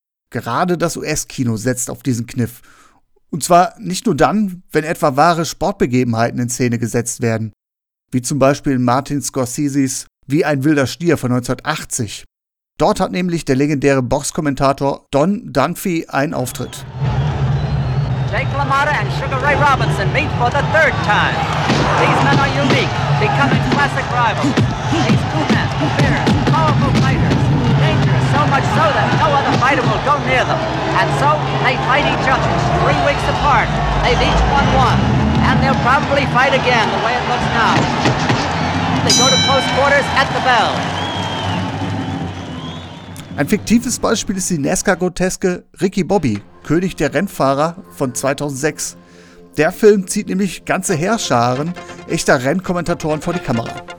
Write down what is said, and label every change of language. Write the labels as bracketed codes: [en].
[de] Gerade das US-Kino setzt auf diesen Kniff. Und zwar nicht nur dann, wenn etwa wahre Sportbegebenheiten in Szene gesetzt werden. Wie zum Beispiel in Martin Scorseses Wie ein wilder Stier von 1980. Dort hat nämlich der legendäre Boxkommentator Don Dunphy einen Auftritt. [en] Jake LaMotta and Sugar Ray Robinson meet for the third time. These men are unique, becoming classic rivals. These two men, fierce, powerful fighters. So much so that no other fighter will go near them. And so, they fight each other 3 weeks apart. They've each won one. And they'll probably fight again the way it looks now. They go to close quarters at the bell. [de] Ein fiktives Beispiel ist die NASCAR-Groteske Ricky Bobby, König der Rennfahrer von 2006. Der Film zieht nämlich ganze Heerscharen echter Rennkommentatoren vor die Kamera.